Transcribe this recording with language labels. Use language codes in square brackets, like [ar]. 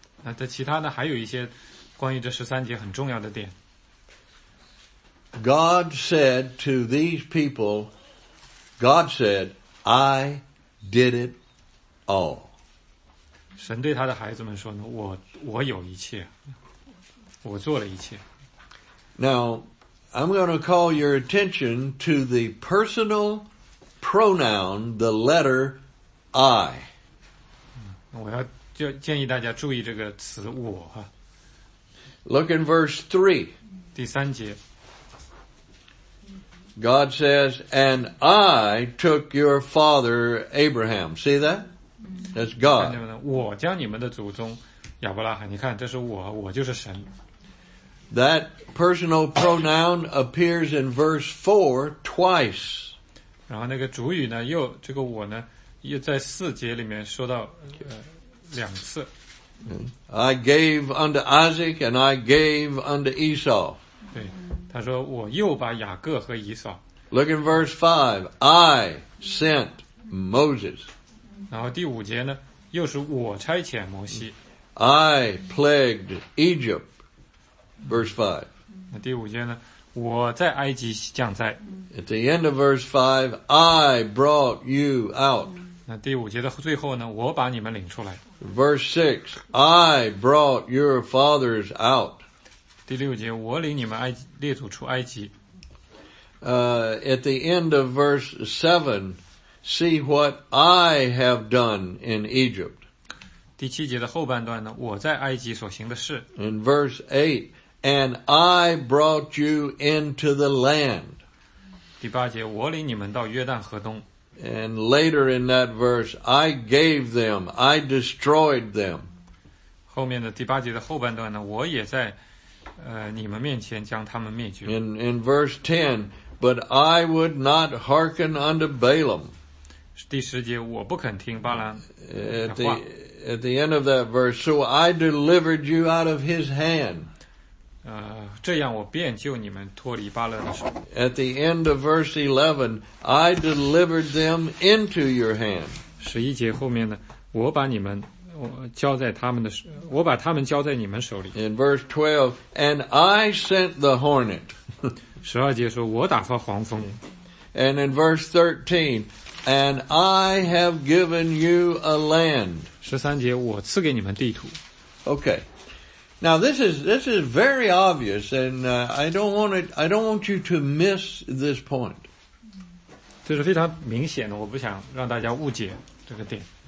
[zh] 那这其他呢还有一些关于这十三节很重要的点。 [en] God said to these people, God said, I did it all. [zh] 神对他的孩子们说呢，我有一切，我做了一切。 [en] Now, I'm going to call your attention to the personal pronoun, the letter I. [zh] 我要就建议大家注意这个词我。 [en] Look in verse 3. [zh] 第三节。 [en] God says, and I took your father Abraham. See that? That's God. [zh] 看见了吗？我将你们的祖宗亚伯拉罕，你看，这是我，我就是神。 [en] That personal pronoun appears in verse 4 twice. [zh] 然后那个主语呢，又这个我呢，又在四节里面说到两次。 [en] I gave unto Isaac and I gave unto Esau. [zh] 对。他说我又把雅各和以扫。 [en] Look in verse 5, I sent Moses. [zh] 然后第五节呢又是我差遣摩西。 [en] I plagued Egypt, verse 5. [zh] 那第五节呢我在埃及降灾。 [en] At the end of verse 5, I brought you out. [zh] 那第五节的最后呢我把你们领出来。 [en] Verse 6, I brought your fathers out. [zh] 第六节，我领你们埃及列祖出埃及。 [en] At the end of verse 7, see what I have done in Egypt. [zh] 第七节的后半段呢，我在埃及所行的事。 [en] In verse 8, and I brought you into the land. [zh] 第八节，我领你们到约旦河东。 [en] And later in that verse, I gave them, I destroyed them. [zh] 后面的第八节的后半段呢，我也在你们面前将他们灭绝。 [en] In verse 10, but I would not hearken unto Balaam. [zh] 第十节，我不肯听巴兰的话。 [en] At the end of that verse, so I delivered you out of his hand. [zh] 这样我便救你们脱离巴勒的手。 [en] At the end of verse 11, I delivered them into your hand. [zh] 十一节后面呢，我把你们交在他们的手，我把他们交在你们手里。 [en] In verse 12, and I sent the hornet. [zh] 十二节说，我打发黄蜂。 [en] And in verse 13, and I have given you a land. [zh] 十三节，我赐给你们地图。 [en] Okay, now this is very obvious, and I don't want you to miss this point. [zh] 这是非常明显的，我不想让大家误解这个点。